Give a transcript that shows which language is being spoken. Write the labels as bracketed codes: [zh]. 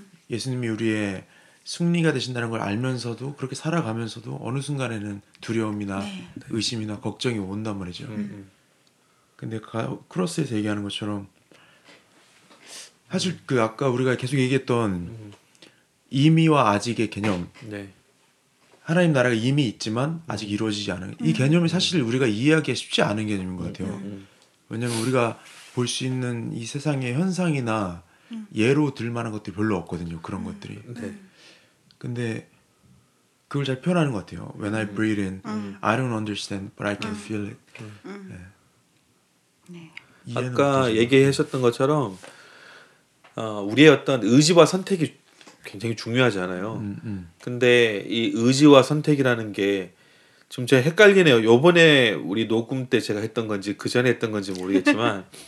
[ko] 예수님이 우리의 승리가 되신다는 걸 알면서도 그렇게 살아가면서도 어느 순간에는 두려움이나 의심이나 걱정이 온단 말이죠 근데 크로스에서 얘기하는 것처럼 사실 그 아까 우리가 계속 얘기했던 이미와 아직의 개념 네. 하나님 나라가 이미 있지만 아직 이루어지지 않은 이 개념이 사실 우리가 이해하기 쉽지 않은 개념인 것 같아요 왜냐면 우리가 볼 수 있는 이 세상의 현상이나 예로 들만한 것들이 별로 없거든요 그런 것들이 네. 근데 그걸 잘 표현하는 것 같아요 [en] When I breathe in, I don't understand but I can feel it [ko] 네. 아까 얘기하셨던 것처럼 우리의 어떤 의지와 선택이 굉장히 중요하잖아요 근데 이 의지와 선택이라는 게 좀 제가 헷갈리네요 요번에 우리 녹음 때 제가 했던 건지 그 전에 했던 건지 모르겠지만